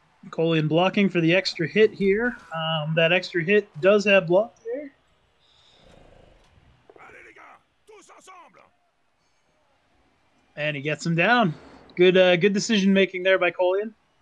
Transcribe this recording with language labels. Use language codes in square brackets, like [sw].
[en] Kolian blocking for the extra hit here. That extra hit does have block there. [fr] Allez, les gars, tous ensemble. [en] And he gets him down. Good good decision making there by Kolian.